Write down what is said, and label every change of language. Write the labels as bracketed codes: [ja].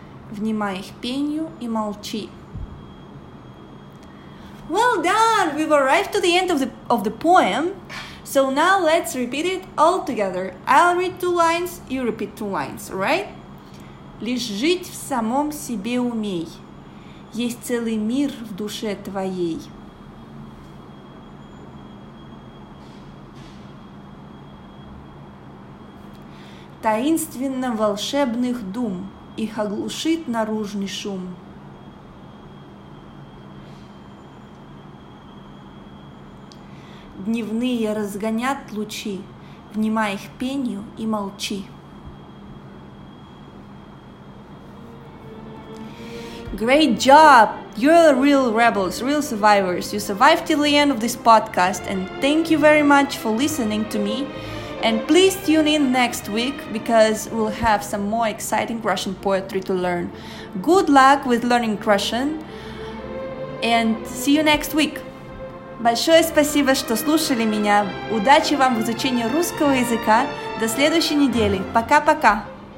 [ru] Внимай их пению и молчи. [en] Well done! We've arrived to the end of the poem. So now let's repeat it all together. I'll read 2 lines, you repeat 2 lines, right? [ru] Лишь жить в самом себе умей. есть целый мир в душе твоей. Таинственно волшебных дум их оглушит наружный шум. Дневные разгонят лучи, внимай их пению и молчи. [en] Great job! You're the real rebels, real survivors. You survived till the end of this podcast, and thank you very much for listening to me. And please tune in next week, because we'll have some more exciting Russian poetry to learn. Good luck with learning Russian, and see you next week! [ru] Большое спасибо, что слушали меня. Удачи вам в изучении русского языка. До следующей недели. Пока-пока!